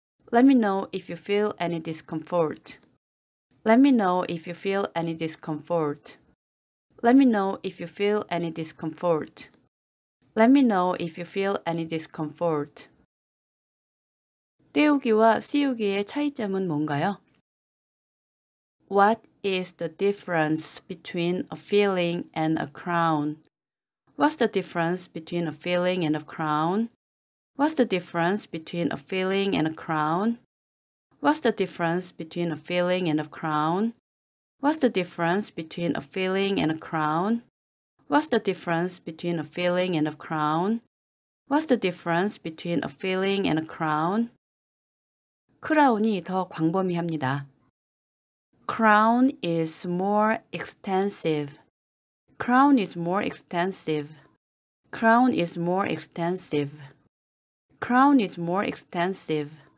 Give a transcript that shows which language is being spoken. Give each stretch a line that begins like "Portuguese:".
English: Let me know if you feel any discomfort. Let me know if you feel any discomfort. Let me know if you feel any discomfort. Let me know if you feel any discomfort.
Korean: 떼우기와 씌우기의 차이점은 뭔가요?
English: What is the difference between a filling and a crown? What's the difference between a filling and a crown? What's the difference between a filling and a crown? What's the difference between a filling and a crown? What's the difference between a filling and a crown? What's the difference between a filling and a crown? What's the difference between a filling and a crown?
Korean: 크라운이 더 광범위합니다.
English: Crown is more extensive. Crown is more extensive. Crown is more extensive. Crown is more extensive.